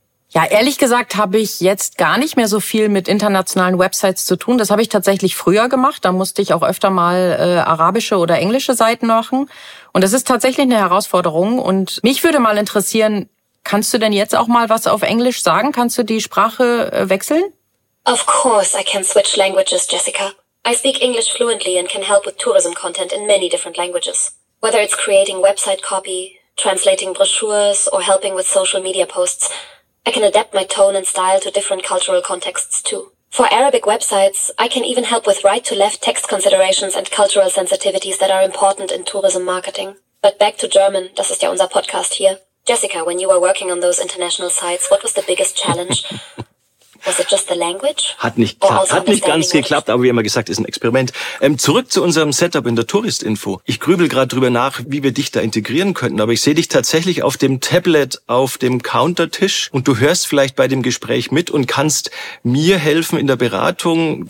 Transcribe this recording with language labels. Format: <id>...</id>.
<de>Ja, ehrlich gesagt habe ich jetzt gar nicht mehr so viel mit internationalen Websites zu tun. Das habe ich tatsächlich früher gemacht. Da musste ich auch öfter mal arabische oder englische Seiten machen. Und das ist tatsächlich eine Herausforderung. Und mich würde mal interessieren, kannst du denn jetzt auch mal was auf Englisch sagen? Kannst du die Sprache wechseln?</de> <en>Of course I can switch languages, Jessica. I speak English fluently and can help with tourism content in many different languages. Whether it's creating website copy, translating brochures or helping with social media posts, I can adapt my tone and style to different cultural contexts too. For Arabic websites, I can even help with right-to-left text considerations and cultural sensitivities that are important in tourism marketing. But back to German,</en> <de>das ist ja unser Podcast hier.</de> <en>Jessica, when you were working on those international sites, what was the biggest challenge? Was it just the language?</en> <de>Hat nicht ganz geklappt, aber wie immer gesagt, ist ein Experiment. Zurück zu unserem Setup in der Touristinfo. Ich grübel gerade drüber nach, wie wir dich da integrieren könnten, aber ich sehe dich tatsächlich auf dem Tablet auf dem Countertisch und du hörst vielleicht bei dem Gespräch mit und kannst mir helfen in der Beratung.</de>